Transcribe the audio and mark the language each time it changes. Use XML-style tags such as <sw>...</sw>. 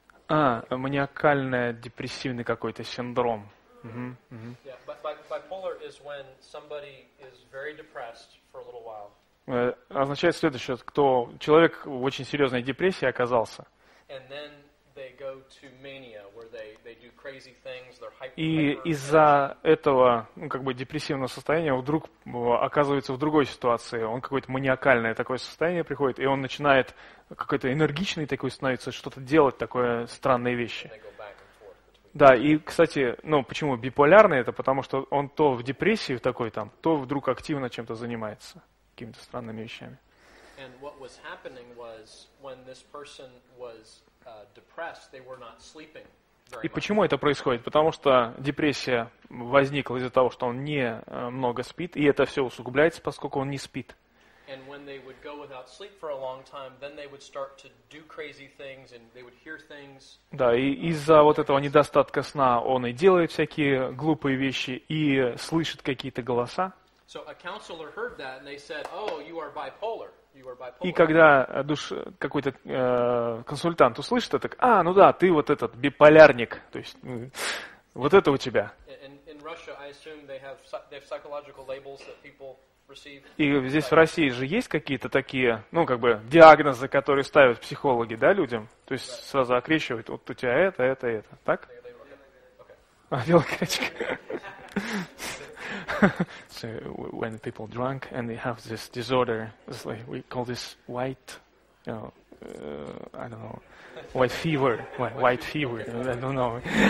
<ru>А, маниакальный депрессивный какой-то синдром.</ru> <en>Bipolar is when somebody is very depressed for a little while.</en> <ru>Означает следующее, кто человек в очень серьезной депрессии оказался.</ru> <en>And then they go to mania, where they do crazy things, they're hyper.</en> <ru>И из-за этого, ну, как бы депрессивного состояния вдруг оказывается в другой ситуации. Он какое-то маниакальное такое состояние приходит, и он начинает какой-то энергичный такой становится, что-то делать, такое странные вещи. Да, и, кстати, ну, почему биполярный? Это потому, что он то в депрессии такой там, то вдруг активно чем-то занимается, какими-то странными вещами.</ru> <en>And what was happening was, when this person was depressed, they were not sleeping very much.</en> <ru>И почему это происходит? Потому что депрессия возникла из-за того, что он не много спит, и это все усугубляется, поскольку он не спит.</ru> <en>And when they would go without sleep for a long time, then they would start to do crazy things, and they would hear things.</en> <ru>Да, и из-за вот этого недостатка сна он и делает всякие глупые вещи, и слышит какие-то голоса.</ru> <en>So a counselor heard that, and they said, oh, you are bipolar. You are bipolar.</en> <ru>И когда какой-то консультант услышит это, а, ну да, ты вот этот биполярник, то есть вот это у тебя.</ru> <en>In Russia, I assume they have psychological labels that people...</en> <ru>И здесь в России же есть какие-то такие, ну, как бы, диагнозы, которые ставят психологи, да, людям? То есть сразу окрещивают, вот у тебя это, так? А, велокачка.</ru> <en>So, when people drunk and they have this disorder, it's like we call this white, you know, I don't know, white fever, white fever, I don't know.</en>